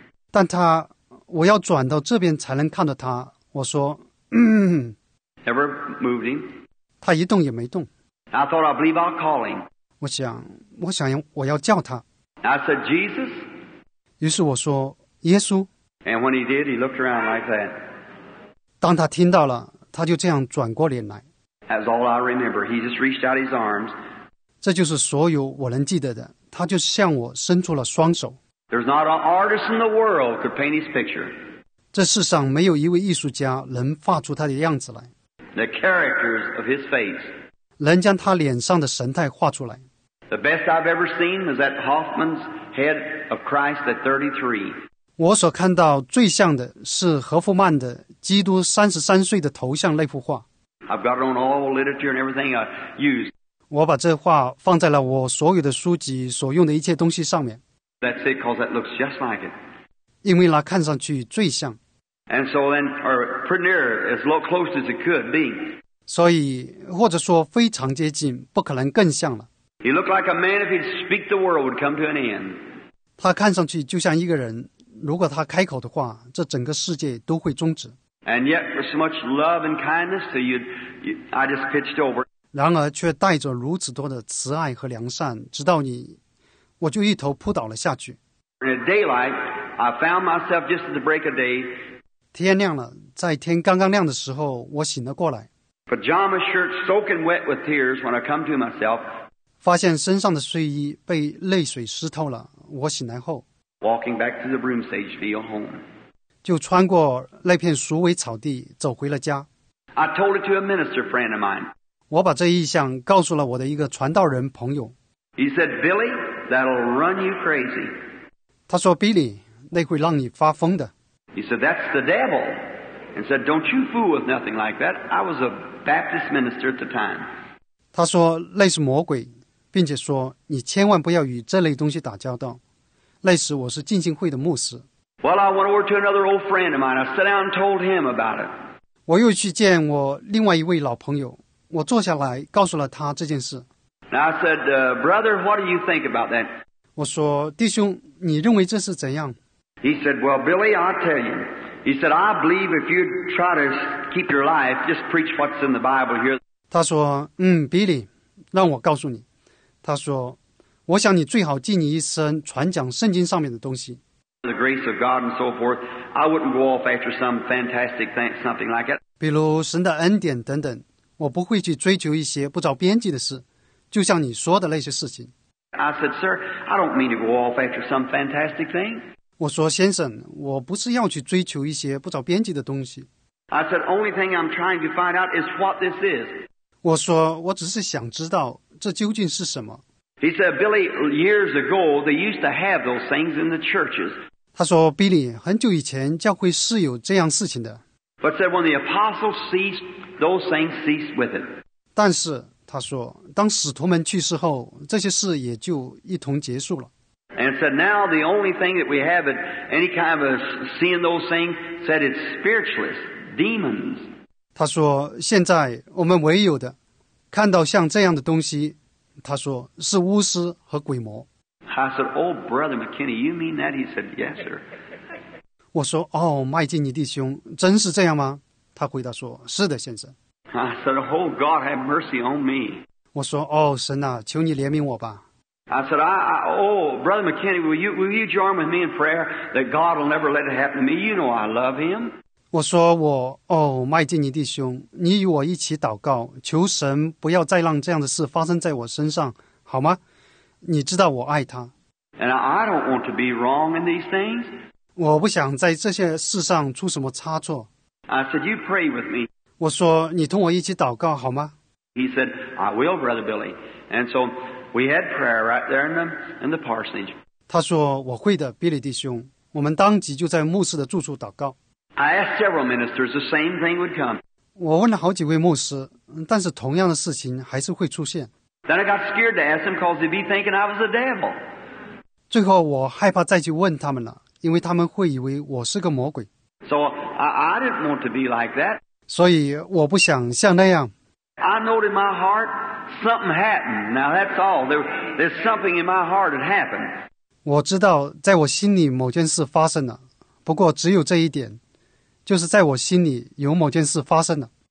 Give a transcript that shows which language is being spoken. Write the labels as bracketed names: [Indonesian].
[Chinese] 但他，我要转到这边才能看到他。我说，嗯。 [English] Never moved him. [Chinese] 他一动也没动。 [English] I thought, I believe I'll call him. [Chinese] 我想我要叫他。 [English] I said, Jesus. [Chinese] 于是我说，耶稣。 [English] And when he did, he looked around like that. [Chinese] 当他听到了，他就这样转过脸来。 [English] That's all I remember. He just reached out his arms. [Chinese] 这就是所有我能记得的。他就向我伸出了双手。 [English] There's not an artist in the world could paint his picture. [Chinese] 这世上没有一位艺术家能画出他的样子来。 [English] The characters of his face. [Chinese] 能将他脸上的神态画出来。 [English] The best I've ever seen is that Hoffman's head of Christ at 33. [Chinese] 我所看到最像的是何夫曼的基督33岁的头像那幅画。 [English] I've got it on all literature and everything I use. [Chinese] 我把这画放在了我所有的书籍所用的一切东西上面。 [English] That's it, because that looks just like it. [Chinese] 因为那看上去最像。 [English] And so then, or pretty near, as close as it could be. [Chinese] 所以或者说非常接近，不可能更像了。 [English] He looked like a man if he'd speak the world would come to an end. [Chinese] 他看上去就像一个人，如果他开口的话，这整个世界都会终止。 [English] And yet, with so much love and kindness, so I just pitched over. [Chinese] 然而却带着如此多的慈爱和良善，直到你，我就一头扑倒了下去。 [English] In the daylight, I found myself just at the break of day. [Chinese] 天亮了，在天刚刚亮的时候，我醒了过来。 [English] Pajama shirt soaking wet with tears when I come to myself. [Chinese] 发现身上的睡衣被泪水湿透了，我醒来后。 [English] Walking back to the broom stage via home. [Chinese] 就穿过那片鼠尾草地走回了家。 [English] I told it to a minister friend of mine. [Chinese] 我把这意象告诉了我的一个传道人朋友。 [English] He said, Billy, that'll run you crazy. [Chinese] 他说 ,Billy, 那会让你发疯的。 [English] He said, that's the devil. And said, don't you fool with nothing like that. I was a Baptist minister at the time. [Chinese] 他说那是魔鬼，并且说你千万不要与这类东西打交道。那时我是浸信会的牧师。 [English] Well, I went over to another old friend of mine. I sat down and told him about it. [Chinese] 我又去见我另外一位老朋友。我坐下来告诉了他这件事。 [English] And I said, brother, what do you think about that? [Chinese] 我说，弟兄，你认为这是怎样？ [English] He said, well, Billy, I'll tell you. He said, I believe if you try to keep your life, just preach what's in the Bible here. [Chinese] 他说，嗯 ，Billy, 让我告诉你。他说，我想你最好尽你一生传讲圣经上面的东西。 [English] The grace of God and so forth. I wouldn't go off after some fantastic thing, something like it. [Chinese] 比如神的恩典等等，我不会去追求一些不着边际的事，就像你说的那些事情。 [English] I said, sir, I don't mean to go off after some fantastic thing. [Chinese] 我说先生，我不是要去追求一些不着边际的东西。 [English] I said, only thing I'm trying to find out is what this is. [Chinese] 我说我只是想知道这究竟是什么。 [English] He said, Billy, years ago, they used to have those things in the churches. [Chinese] 他说 ,Billy, 很久以前教会是有这样事情的。 [English] But said, when the apostles ceased, those things ceased with it. [Chinese] 但是他说当使徒们去世后这些事也就一同结束了。 [English] And said, now the only thing that we have at any kind of a seeing those things said it's spiritless, demons. [Chinese] 他说现在我们唯有的看到像这样的东西他说是巫师和鬼魔。 [English] I said, "Oh, brother McKinney, you mean that?" He said, "Yes, sir." [Chinese] 我说哦，麦金尼弟兄，真是这样吗？他回答说，是的，先生。 [English] I said, "Oh, God, have mercy on me." [Chinese] 我说哦，神啊，求你怜悯我吧。 [English] I said, "Oh, brother McKinney, will you join with me in prayer that God will never let it happen to me? You know I love Him." [Chinese] 我说我哦，麦金尼弟兄，你与我一起祷告，求神不要再让这样的事发生在我身上，好吗？你知道我爱他。 [English] And I don't want to be wrong in these things. [Chinese] 我不想在这些事上出什么差错。 [English] I said, you pray with me. [Chinese] 我说你同我一起祷告好吗？ [English] He said, I will, Brother Billy. And so we had prayer right there in the parsonage. [Chinese] 他说我会的，比利弟兄，我们当即就在牧师的住处祷告。 [English] I asked several ministers, the same thing would come. [Chinese] 我问了好几位牧师，但是同样的事情还是会出现。 [English] Then I got scared to ask them because they'd be thinking I was the devil. [Chinese] 最后我害怕再去问他们了，因为他们会以为我是个魔鬼。 [English] So I didn't want to be like that. [Chinese] 所以我不想像那样。 [English] I know in my heart, something happened. Now that's all. There's something in my heart that happened. [Chinese] 我知道在我心里某件事发生了，不过只有这一点，就是在我心里有某件事发生了。